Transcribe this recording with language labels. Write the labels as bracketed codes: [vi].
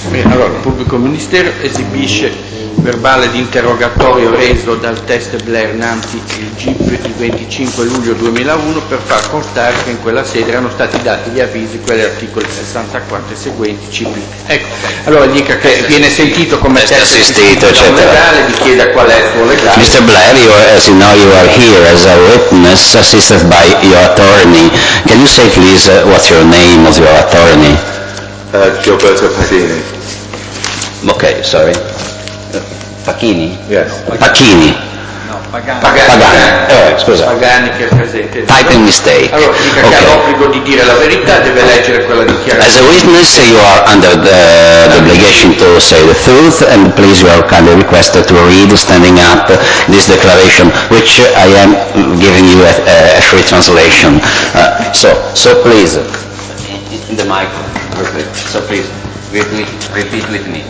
[it] Allora, il pubblico ministero esibisce verbale di interrogatorio reso dal test Blair Nanzi il GIP il 25 luglio 2001 per far constare che in quella sede erano stati dati gli avvisi, quelli articoli 64 e seguenti CP. Ecco, allora dica che viene sentito come test assistito, eccetera. Legale, gli chieda qual è il suo legale. [en] Mr. Blair, you are here as a witness assisted by your attorney. Can you say please what's your name of your attorney? Gilberto Pacini. Okay, sorry. Pacini? Yes. Pacini. No, Pagani. [it] Pagani. Scusa. Pagani che è presente. [en] Typing mistake. [it] Allora, dica che ha l'obbligo di dire la verità, deve leggere quella dichiarazione. [en] As a witness, you are under the obligation to say the truth, and please, you are kindly requested to read, standing up, this declaration, which I am giving you a free translation. So please. In the microphone. Perfect. So please. Repeat with me.